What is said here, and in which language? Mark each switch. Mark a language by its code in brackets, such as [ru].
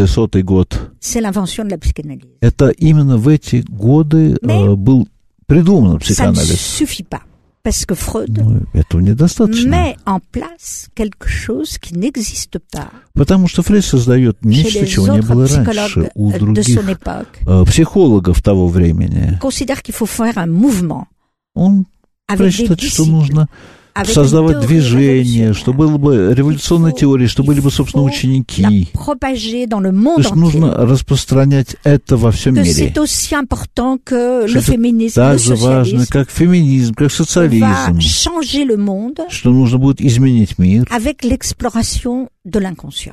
[ru] 1900 год. Это именно в эти годы был придуман психоанализ. [fr] Ça ne suffit pas, parce que Freud [ru] этого недостаточно. [fr] Met en place quelque chose qui n'existe pas. [ru] Потому что Фрейд создает нечто, чего не было раньше у других психологов того времени. [fr] Considère qu'il faut faire un mouvement. [ru] Он считает, что нужно создавать движение, что было бы революционной теорией, что были бы, собственно, ученики. То есть нужно распространять это во всем мире. Это [fr] aussi important que le féminisme, [ru] так же важно, как феминизм, как социализм. [fr] Changer le monde, [ru] что нужно будет изменить мир. [fr] Avec l'exploration de l'inconscient.